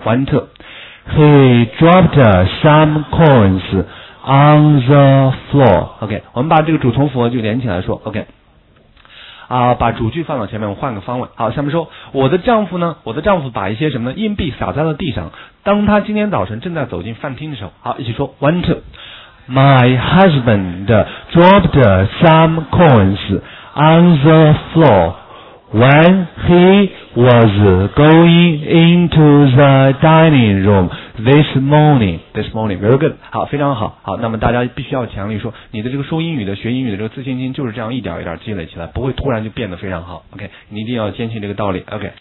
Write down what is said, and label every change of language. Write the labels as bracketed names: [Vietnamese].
[English] One two. He dropped some coins on the floor. OK. [Chinese] 我们把这个主从复合句连起来说。 [English] OK. [Chinese] 把主句放到前面，我换个方位。好，下面说，我的丈夫把一些什么呢？硬币撒在了地上。当他今天早晨正在走进饭厅的时候，好，一起说。 [English] One two. My husband dropped some coins on the floor. When he was going into the dining room this morning, very good. [Chinese] 好，非常好。好，那么大家必须要强力说，你的这个说英语的、学英语的这个自信心就是这样一点一点积累起来，不会突然就变得非常好。OK， 你一定要坚信这个道理。OK。